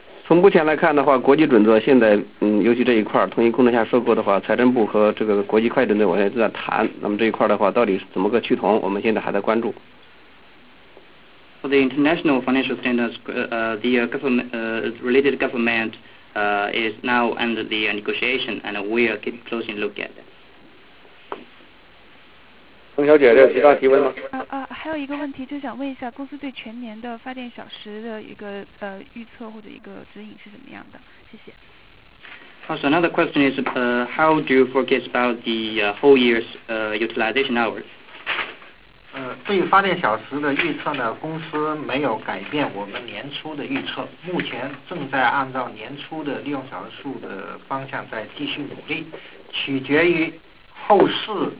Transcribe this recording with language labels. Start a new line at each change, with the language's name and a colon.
Chinese: 从目前来看的话，国际准则现在尤其这一块统一控制下收购的话，财政部和这个国际会计准则我现在正在谈，那么这一块的话到底是怎么个趋同，我们现在还在关注。
English: For the international financial standards, related government is now under the negotiation, and we are keep closing look at that.
Chinese: 邓小姐，这有其他提问吗？啊，还有一个问题，就想问一下公司对全年的发电小时的一个预测或者一个指引是怎么样的？谢谢。
English: Also, another question is, how do you forecast about the whole year's utilization hours?
Chinese: 对于发电小时的预测呢，公司没有改变我们年初的预测，目前正在按照年初的利用小时数的方向在继续努力，取决于后市。